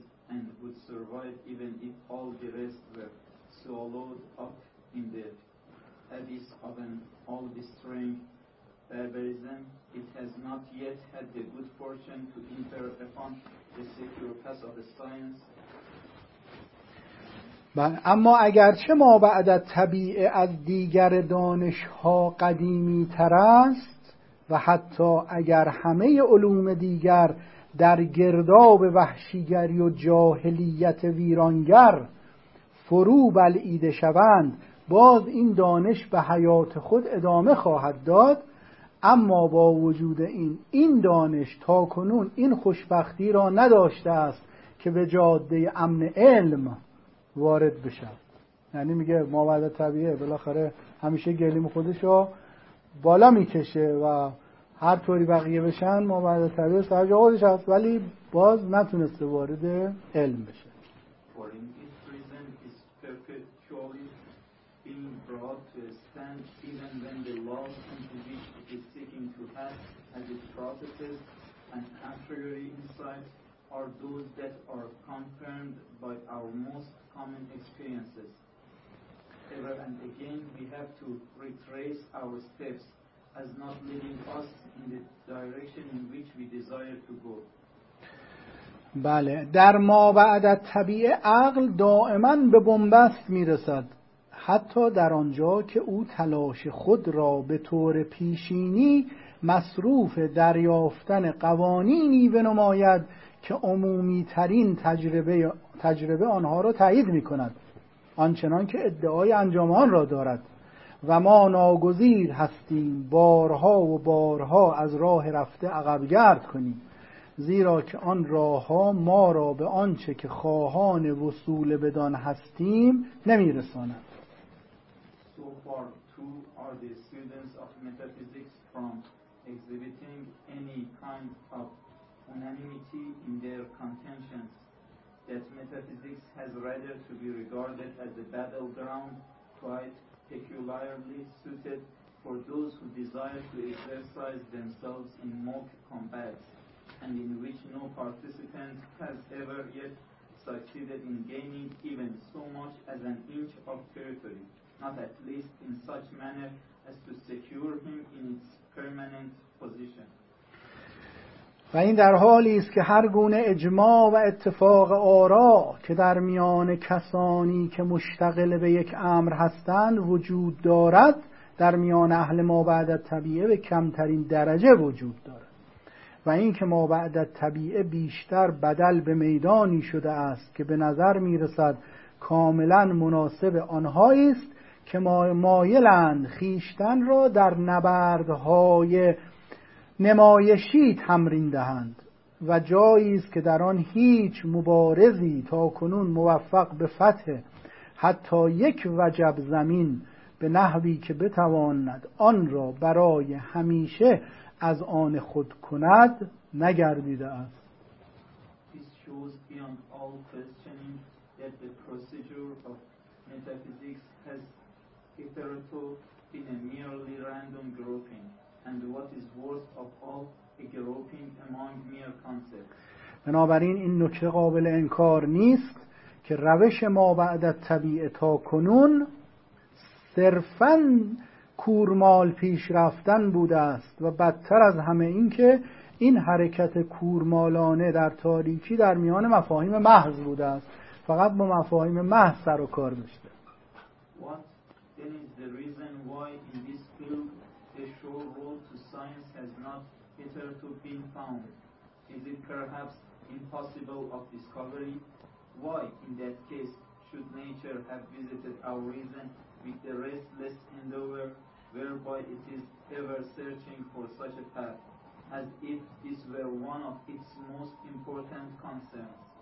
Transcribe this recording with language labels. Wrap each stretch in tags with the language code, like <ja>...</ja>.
<en>And would survive even if all the rest were swallowed up in the abyss of an all-destroying barbarism, it has not yet had the good fortune to enter upon the secure path of the science.</en> <fa>بل اما اگرچه ما بعد از طبیعه از دیگر دانش‌ها قدیمی تر است و حتی اگر همه علوم دیگر در گرداب وحشیگری و جاهلیت ویرانگر فرو بلعیده شوند، باز این دانش به حیات خود ادامه خواهد داد. اما با وجود این دانش تا کنون این خوشبختی را نداشته است که به جاده امن علم وارد بشه. یعنی میگه ما بعد طبیعه بالاخره همیشه گلیم خودش را بالا میکشه و هر طوری بقیه بشن ما بعد طبیعه سر جا خودش هست، ولی باز نتونسته وارد علم بشه.</fa> <en>For in this reason is perpetually being brought to a stand even when the laws into which it is seeking to pass as its processes and contrary insights are those that are confirmed by our most common experiences. Ever and again we have to retrace our steps as not leading us in the direction in which we desire to go.</en> <fa>بله، در ما بعد از طبیعه عقل دائما به بنبست میرسد، حتی در آنجا که او تلاش خود را به طور پیشینی مصروف دریافتن قوانینی بنماید که عمومی ترین تجربه آنها را تایید می کند، آنچنان که ادعای انجام آن را دارد. و ما ناگزیر هستیم بارها و بارها از راه رفته عقبگرد کنیم، زیرا که آن راه ها ما را به آنچه که خواهان وصول بدان هستیم نمی رسانند.</fa> <en>So far two are the students of metaphysics from exhibiting any kind of unanimity in their contentions that metaphysics has rather to be regarded as a battleground quite peculiarly suited for those who desire to exercise themselves in mock combats and in which no participant has ever yet succeeded in gaining even so much as an inch of territory, not at least in such manner as to secure him in its permanent position.</en> <fa>و این در حالی است که هر گونه اجماع و اتفاق آرا که در میان کسانی که مشتغل به یک امر هستند وجود دارد، در میان اهل ما بعد از طبیعه به کمترین درجه وجود دارد. و این که ما بعد از طبیعه بیشتر بدل به میدانی شده است که به نظر می رسد کاملا مناسب آنهایی است که مایلند خیشتن را در نبردهای نمایشی تمرین دهند و جایی است که در آن هیچ مبارزی تا کنون موفق به فتح حتی یک وجب زمین به نحوی که بتواند آن را برای همیشه از آن خود کند نگردیده است.</fa> <en>This shows beyond all questioning that the procedure of metaphysics has hitherto been a merely random grouping. And what is worst of all, a groping among mere concepts.</en> <fa>بنابراین این نکته قابل انکار نیست که روش ما بعد از طبیعه تا کنون صرفاً کورمال پیش رفتن بوده است و بدتر از همه این که این حرکت کورمالانه در تاریکی در میان مفاهیم محض بوده است، فقط با مفاهیم محض سر و کار داشته.</fa> <en>What that is the reason why in this field the sure road to science has not hitherto been found. Is it perhaps impossible of discovery? Why, in that case, should nature have visited our reason with the restless endeavor whereby it is ever searching for such a path, as if this were one of its most important concerns?</en>